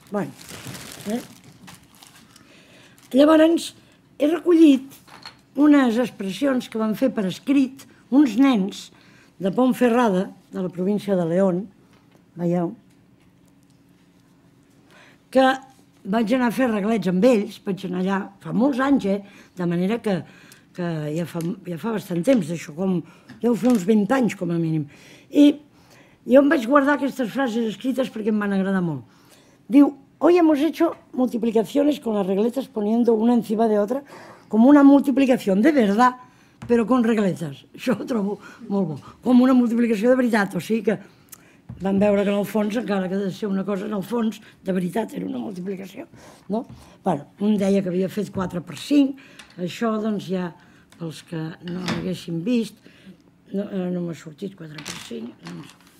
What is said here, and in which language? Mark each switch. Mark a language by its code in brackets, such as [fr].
[ca] Bé, Llavors, he recollit unes expressions que van fer per escrit uns nens de Pontferrada, de la província de León, veieu, que... Vaig anar a fer reglets amb ells, vaig anar allà fa molts anys, de manera que ja fa bastant temps d'això, com deu fer uns 20 anys com a mínim. I jo em vaig guardar aquestes frases escrites perquè em van agradar molt. Diu: [es] hoy hemos hecho multiplicaciones con las regletas poniendo una encima de otra como una multiplicación de verdad, pero con regletas. [ca] Això ho trobo molt bo. Com una multiplicació de veritat, o sigui que... Vam veure que en el fons, encara que ha de ser una cosa, en el fons, de veritat, era una multiplicació, no? Bé, un deia que havia fet 4 per 5, això, doncs, ja, pels que no l'haguessin vist, no m'ha sortit 4 per 5, doncs...